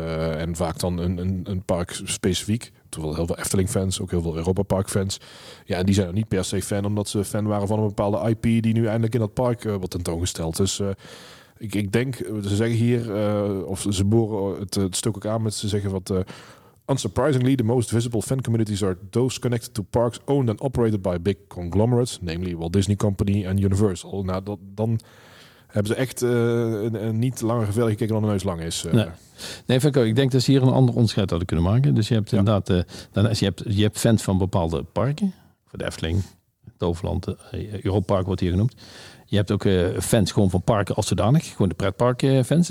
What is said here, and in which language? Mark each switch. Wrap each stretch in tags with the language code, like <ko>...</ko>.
<nl>En vaak dan een park specifiek. Heel veel Efteling-fans, ook heel veel Europa-park-fans. Ja, en die zijn er niet per se fan, omdat ze fan waren van een bepaalde IP die nu eindelijk in dat park wordt tentoongesteld. Dus ik denk, ze zeggen hier, of ze boren het stuk ook aan met ze zeggen wat...</nl> <en>unsurprisingly, the most visible fan communities are those connected to parks owned and operated by big conglomerates, namely Walt Disney Company en Universal.</en> <nl>Nou, dan hebben ze echt niet langer verder gekeken dan de neus lang is. Nee, Fico, ik denk dat ze hier een ander onderscheid hadden kunnen maken. Dus je hebt inderdaad, je hebt fans van bepaalde parken. Voor de Efteling, Toverland, Europark wordt hier genoemd. Je hebt ook fans gewoon van parken als zodanig. Gewoon de pretparkfans.</nl>